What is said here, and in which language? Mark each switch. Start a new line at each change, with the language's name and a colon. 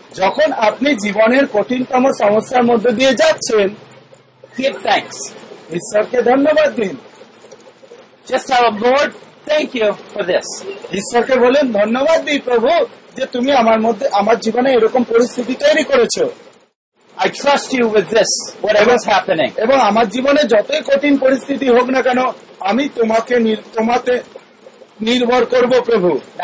Bangla: যখন আপনি জীবনের কঠিনতম সমস্যার মধ্যে দিয়ে যাচ্ছেন,
English: give thanks.
Bangla: ঈশ্বরকে ধন্যবাদ দিন।
English: Just tell Lord, thank you for this.
Bangla: ঈশ্বরকে বলেন ধন্যবাদ দিই প্রভু যে তুমি আমার মধ্যে আমার জীবনে এরকম পরিস্থিতি তৈরি করেছো।
English: I trust you with this, whatever's happening.
Bangla: এবং আমার জীবনে যতই কঠিন পরিস্থিতি হোক না কেন, আমি তোমাকে তোমাতে নির্ভর করব প্রভু।